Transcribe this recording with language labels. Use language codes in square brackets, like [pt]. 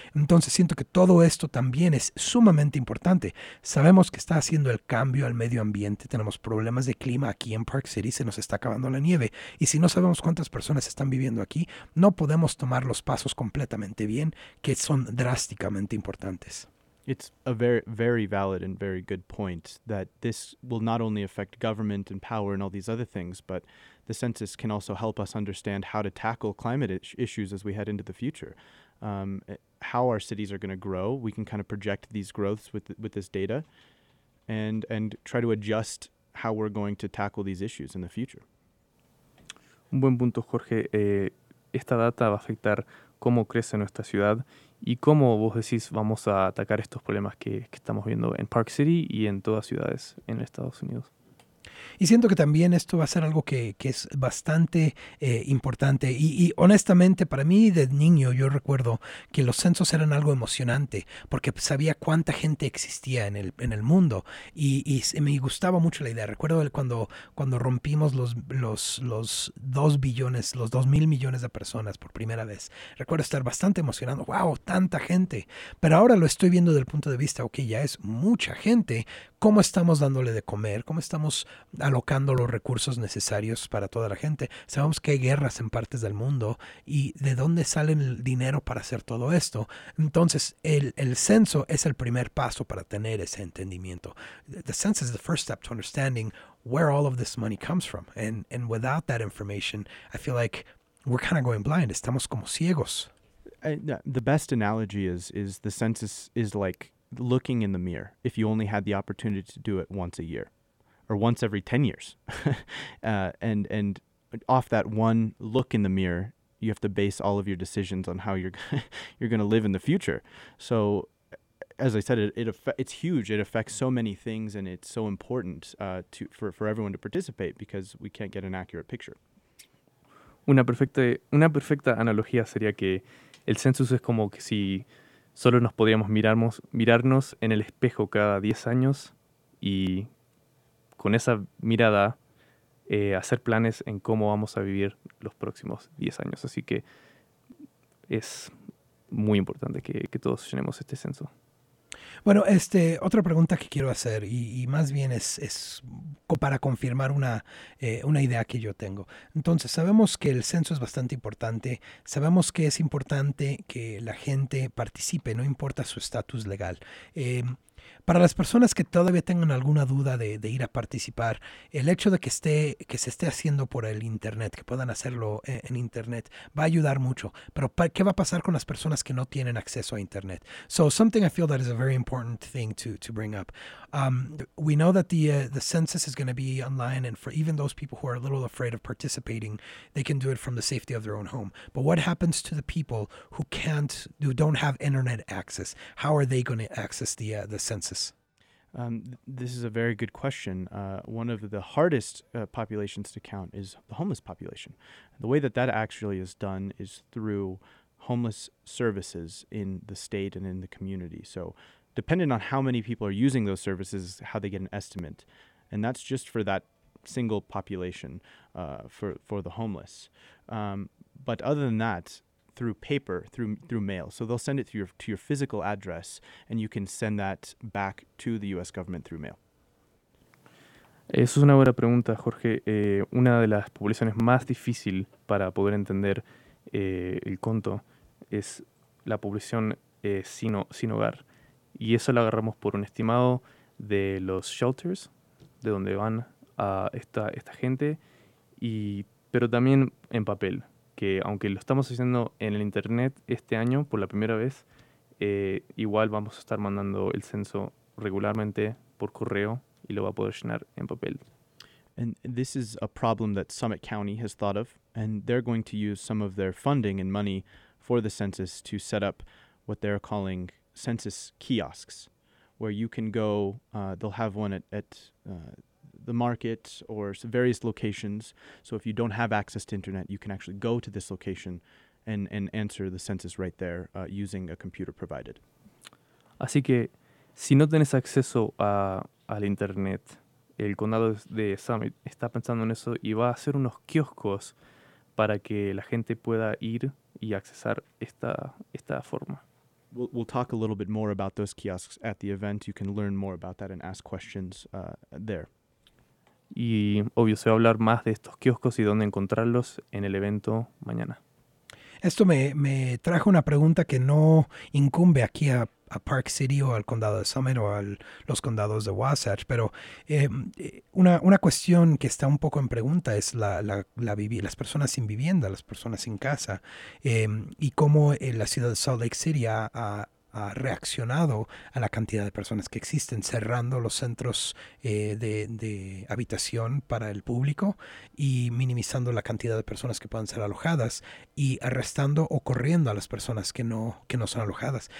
[es] Entonces siento que todo esto también es sumamente importante. Sabemos que está haciendo el cambio al medio ambiente, tenemos problemas de clima aquí en Park City, se nos está acabando la nieve, y si no sabemos cuántas personas están viviendo aquí, no podemos tomar los pasos completamente bien, que son drásticamente importantes. [en] It's a very, very valid and very good point that this will not only affect government and power and all these other things, but the census can also help us understand how to tackle climate issues as we head into the future. How our cities are going to grow, we can kind of project these growths with this data and try to adjust how we're going to tackle these issues in the future. [es] Un buen punto, Jorge. Esta data va a afectar cómo crece nuestra ciudad y cómo, vos decís, vamos a atacar estos problemas que estamos viendo en Park City y en todas ciudades en Estados Unidos. Y siento que también esto va a ser algo que es bastante importante. Y honestamente, para mí de niño, yo recuerdo que los censos eran algo emocionante porque sabía cuánta gente existía en el mundo. Y me gustaba mucho la idea. Recuerdo cuando rompimos los 2 billones, los 2 mil millones de personas por primera vez. Recuerdo estar bastante emocionado. ¡Wow! ¡Tanta gente! Pero ahora lo estoy viendo desde el punto de vista, ok, ya es mucha gente. ¿Cómo estamos dándole de comer? ¿Cómo estamos alocando los recursos necesarios para toda la gente? Sabemos que hay guerras en partes del mundo y ¿de dónde sale el dinero para hacer todo esto? Entonces, el censo es el primer paso para tener ese entendimiento. [en] The census is the first step to understanding where all of this money comes from. And without that information, I feel like we're kind of going blind. [es] Estamos como ciegos. [en] The best analogy is the census is like looking in the mirror if you only had the opportunity to do it once a year or once every 10 years. and off that one look in the mirror, you have to base all of your decisions on how you're going to live in the future. So as I said, it's huge. It affects so many things, and it's so important for everyone to participate because we can't get an accurate picture. [es] Una perfecta analogía sería que el census es como que si solo nos podríamos mirarnos en el espejo cada 10 años y con esa mirada hacer planes en cómo vamos a vivir los próximos 10 años. Así que es muy importante que todos llenemos este censo. Bueno, otra pregunta que quiero hacer y más bien es para confirmar una idea que yo tengo. Entonces, sabemos que el censo es bastante importante. Sabemos que es importante que la gente participe, no importa su estatus legal. Para las personas que todavía tengan alguna duda de ir a participar, el hecho de que se esté haciendo por el internet, que puedan hacerlo en internet, va a ayudar mucho. Pero ¿qué va a pasar con las personas que no tienen acceso a internet? [en] So something I feel that is a very important thing to bring up. We know that the census is going to be online, and for even those people who are a little afraid of participating, they can do it from the safety of their own home. But what happens to the people who don't have internet access? How are they going to access the census? This is a very good question. One of the hardest populations to count is the homeless population. The way that actually is done is through homeless services in the state and in the community. So dependent on how many people are using those services, how they get an estimate. And that's just for that single population, for the homeless. But other than that, through paper, through mail. So they'll send it to your physical address, and you can send that back to the U.S. government through mail. [es] Eso es una buena pregunta, Jorge. Una de las poblaciones más difícil para poder entender el conto es la población sin hogar. Y eso lo agarramos por un estimado de los shelters, de donde van a esta gente, pero también en papel, que aunque lo estamos haciendo en el internet este año por la primera vez, igual vamos a estar mandando el censo regularmente por correo y lo va a poder llenar en papel. [en] And this is a problem that Summit County has thought of, and they're going to use some of their funding and money for the census to set up what they're calling census kiosks, where you can go. They'll have one at the market or some various locations. So if you don't have access to internet, you can actually go to this location and answer the census right there using a computer provided. [es] Así que si no tienes acceso al internet, el condado de Summit está pensando en eso y va a hacer unos kioscos para que la gente pueda ir y accesar esta forma. [en] We'll talk a little bit more about those kiosks at the event. You can learn more about that and ask questions there. [es] Y obvio, se va a hablar más de estos kioscos y dónde encontrarlos en el evento mañana. Esto me trajo una pregunta que no incumbe aquí a Park City o al condado de Summit o a los condados de Wasatch, pero una cuestión que está un poco en pregunta es las personas sin vivienda, las personas sin casa, y cómo la ciudad de Salt Lake City ha reaccionado a la cantidad de personas que existen, cerrando los centros de habitación para el público y minimizando la cantidad de personas que puedan ser alojadas y arrestando o corriendo a las personas que no son alojadas.